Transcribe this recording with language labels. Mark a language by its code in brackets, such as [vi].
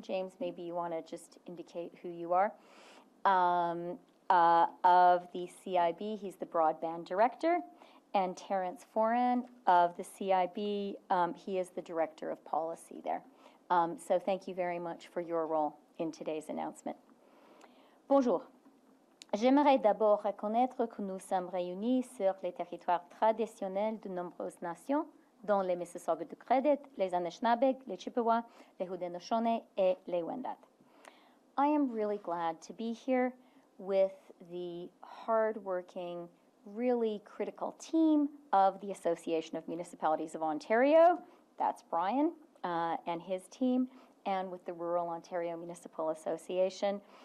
[en] James, maybe you want to just indicate who you are. Of the CIB, he's the broadband director. And Terrence Foran of the CIB, he is the director of policy there. So thank you very much for your role in today's announcement. [fr] Bonjour. J'aimerais d'abord reconnaître que nous sommes réunis sur les territoires traditionnels de nombreuses nations, dont les Mississauga du Credit, les Anishinaabeg, les Chippewa, les Haudenosaunee, et les Wendat. [en] I am really glad to be here with the hardworking, really critical team of the Association of Municipalities of Ontario. That's Brian and his team, and with the Rural Ontario Municipal Association.